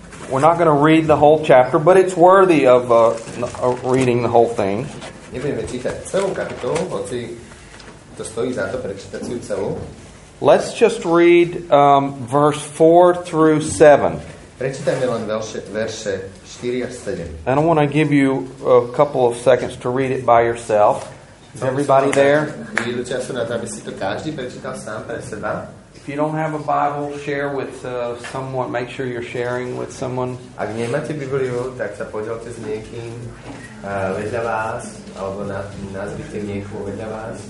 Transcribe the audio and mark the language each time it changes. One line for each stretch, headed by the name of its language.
English: We're not going to read the whole chapter, but it's worthy of reading the whole thing.
Slovak: Nebudeme čítať celú kapitolu, hoci to stojí za to prečítať si ju celú.
English: Let's just read verse 4 through 7.
Slovak: Prečítajme len verše 4 až 7.
English: And I want to give you a couple of seconds to read it by yourself. Is everybody there? If you don't have a Bible, share with someone. Make sure you're sharing with someone.
Slovak: Ak nemáte Bibliu, tak sa podelte s niekým vedľa vás, alebo nazvite niekoho vedľa vás.